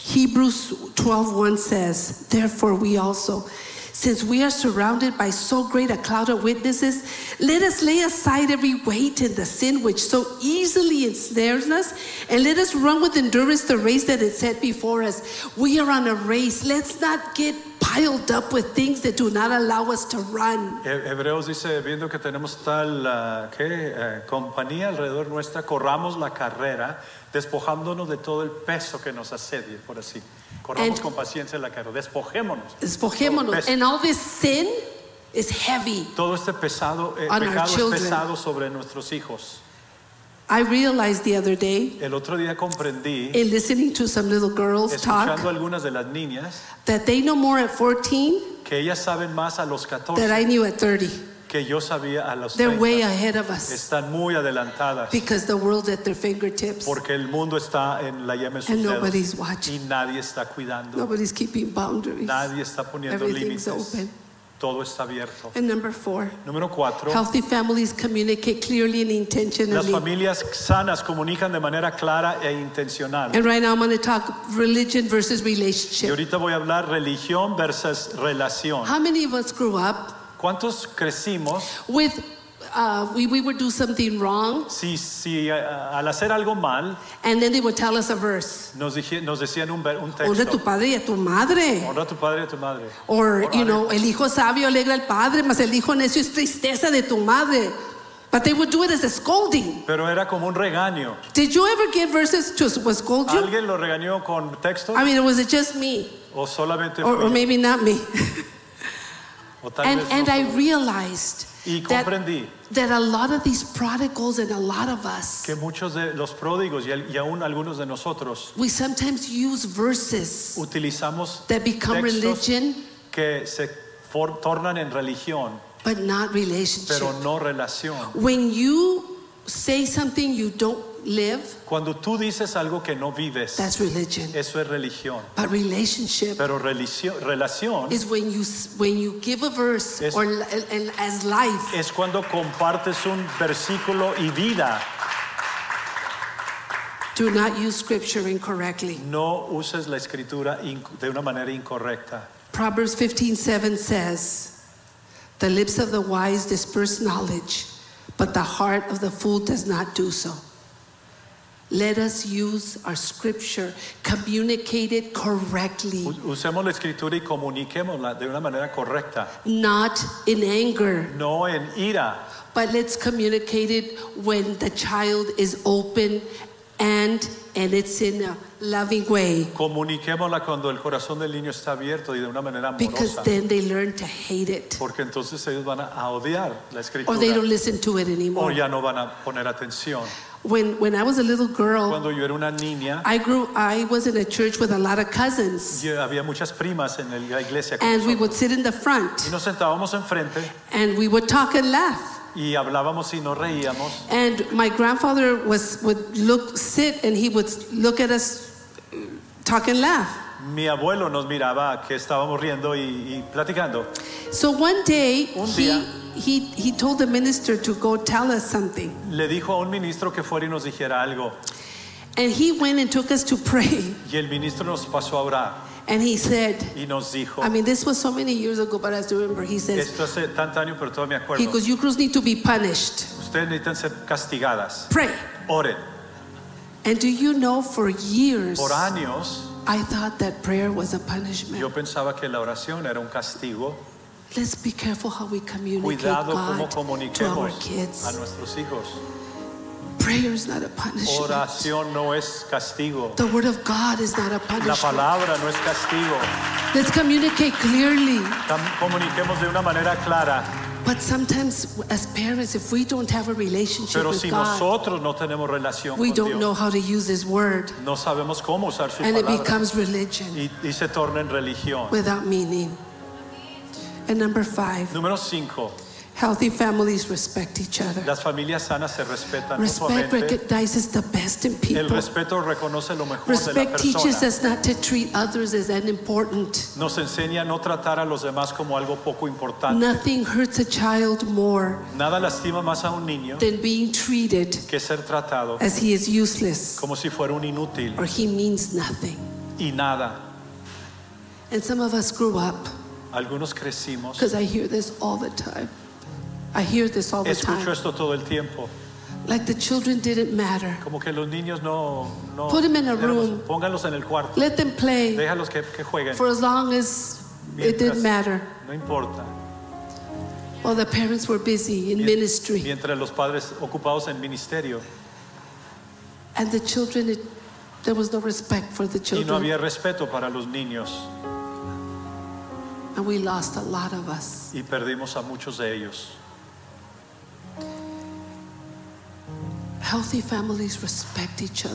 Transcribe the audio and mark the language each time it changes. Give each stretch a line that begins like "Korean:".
English: Hebrews 12:1 says, therefore we also, since we are surrounded by so great a cloud of witnesses, let us lay aside every weight and the sin which so easily ensnares us, and let us run with endurance the race that is set before us. We are on a race. Let's not get piled up with things that do not allow us to run.
Spanish: Hebreos dice, viendo que tenemos tal compañía alrededor nuestra, corramos la carrera, despojándonos de todo el peso que nos asedia, por así. Corramos con paciencia la carrera, despojémonos.
English: And all this sin is heavy.
Spanish: Todo este pesado, pecado es pesado sobre nuestros hijos.
English: I realized the other day,
Spanish: el otro día comprendí,
English: in listening to some little girls
Spanish: escuchando
English: talk,
Spanish: algunas de las niñas,
English: that they know more at 14,
Spanish: que ellas saben más a los 14,
English: that I knew at 30.
Spanish: Que yo sabía a los
English: 30. They're way ahead of us.
Spanish: Están muy adelantadas.
English: Because the world's at their fingertips.
Spanish: Porque el mundo está en la llama de sus dedos.
English: And nobody's watching.
Spanish: Y nadie está cuidando.
English: Nobody's keeping boundaries.
Spanish: Nadie está poniendo límites.
English: Everything's open.
Spanish: Todo está abierto.
English: And number four.
Spanish: Número cuatro.
English: Healthy families communicate clearly and intentionally.
Spanish: Las familias sanas comunican de manera clara e intencional.
English: And right now I'm going to talk religion versus relationship.
Spanish: Y ahorita voy a hablar religión versus relación.
English: How many of us grew up?
Spanish: ¿Cuántos crecimos?
English: With we would do something wrong.
Spanish: Si, al hacer algo mal.
English: And then they would tell us a verse.
Spanish: Nos decían un texto. Honra a tu padre y a tu madre. Honra a tu padre y a tu madre.
English: Or you know,
Spanish: el hijo sabio alegra al padre, mas el hijo necio es tristeza de tu madre.
English: But they would do it as a scolding.
Spanish: Pero era como un regaño.
English: Did you ever get verses to scold you?
Spanish: ¿Alguien lo regañó con texto?
English: I mean, was it just me?
Spanish: O solamente
English: or maybe not me. And I realized that a lot of these prodigals and a lot of us,
Spanish: que muchos de los pródigos y aún algunos de nosotros,
English: we sometimes use verses
Spanish: utilizamos
English: that become
Spanish: textos
English: religion,
Spanish: que se tornan en religión,
English: but not relationship.
Spanish: Pero no relación.
English: When you say something you don't live,
Spanish: cuando tú dices algo que no vives,
English: that's religion.
Spanish: Eso es religión.
English: But relationship,
Spanish: pero relación,
English: is when you give a verse or as life.
Spanish: Es cuando compartes un versículo y vida.
English: Do not use scripture incorrectly.
Spanish: No uses la escritura de una manera incorrecta.
English: Proverbs 15:7 says, "The lips of the wise disperse knowledge, but the heart of the fool does not do so." Let us use our scripture, communicate it correctly.
Spanish: Usemos la escritura y comuniquémosla de una manera correcta.
English: Not in anger.
Spanish: No en ira.
English: But let's communicate it when the child is open and it's in a loving way.
Spanish: Comuniquémosla cuando el corazón del niño está abierto y de una manera amorosa.
English: Because then they learn to hate it.
Spanish: Porque entonces ellos van a odiar la escritura.
English: Or they don't listen to it anymore.
Spanish: O ya no van a poner atención.
English: When I was a little girl,
Spanish: cuando yo era una niña,
English: I was in a church with a lot of cousins.
Spanish: Yo había muchas primas en la iglesia.
English: And
Spanish: nosotros,
English: we would sit in the front.
Spanish: Y nos sentábamos enfrente.
English: And we would talk and laugh.
Spanish: Y hablábamos y nos reíamos.
English: And my grandfather would sit and he would look at us, talk and laugh.
Spanish: Mi abuelo nos miraba que estábamos riendo y platicando.
English: So one day, he told the minister to go tell us something.
Spanish: Le dijo a un ministro que fuera y nos dijera algo.
English: And he went and took us to pray.
Spanish: Y el ministro nos pasó a orar.
English: And he said,
Spanish: y nos dijo,
English: I mean, this was so many years ago, but I still remember, he says,
Spanish: esto hace tanto año, pero todavía me acuerdo.
English: He goes, you girls need to be punished.
Spanish: Ustedes necesitan ser castigadas.
English: Pray.
Spanish: Oren.
English: And do you know, for years,
Spanish: por años,
English: I thought that prayer was a punishment.
Spanish: Yo pensaba que la oración era un castigo.
English: Let's be careful how we communicate.
Spanish: Cuidado
English: God
Spanish: cómo comuniquemos
English: to our kids.
Spanish: A nuestros hijos.
English: Prayer is not a punishment.
Spanish: Oración no es castigo.
English: The word of God is not a punishment.
Spanish: La palabra no es castigo.
English: Let's communicate clearly.
Spanish: Comuniquemos de una manera clara.
English: But sometimes, as parents, if we don't have a relationship
Spanish: pero
English: with
Spanish: si
English: God,
Spanish: nosotros no tenemos relación
English: we
Spanish: con
English: don't
Spanish: Dios,
English: know how to use His word.
Spanish: No sabemos cómo usar su
English: and
Spanish: palabra.
English: It becomes religion
Spanish: y se torna en religión.
English: Without meaning. And number five.
Spanish: Número cinco.
English: Healthy families respect each other.
Spanish: Las familias sanas se respetan
English: respect
Spanish: mutuamente.
English: Recognizes the best in people.
Spanish: El respeto reconoce lo mejor
English: respect
Spanish: de la persona.
English: Respect teaches us not to treat others as unimportant.
Spanish: Nos enseña no tratar a los demás como algo poco importante.
English: Nothing hurts a child more.
Spanish: Nada lastima más a un niño
English: than being treated
Spanish: que ser tratado
English: as he is useless
Spanish: como si fuera un inútil
English: or he means nothing.
Spanish: Y nada.
English: And some of us grew up.
Spanish: Algunos crecimos.
English: Because I hear this all the time. I hear this all the
Spanish: escucho
English: time.
Spanish: Esto todo el tiempo.
English: Like the children didn't matter.
Spanish: Como que los niños no
English: put them in a room.
Spanish: Póngalos en el cuarto.
English: Let them play.
Spanish: Déjalos que jueguen.
English: For as long as
Spanish: mientras,
English: it didn't matter.
Spanish: No importa.
English: While the parents were busy in ministry.
Spanish: Mientras los padres ocupados en ministerio.
English: And the children, there was no respect for the children.
Spanish: Y no había respeto para los niños.
English: And we lost a lot of us.
Spanish: Y perdimos a muchos de ellos.
English: Healthy families respect each other.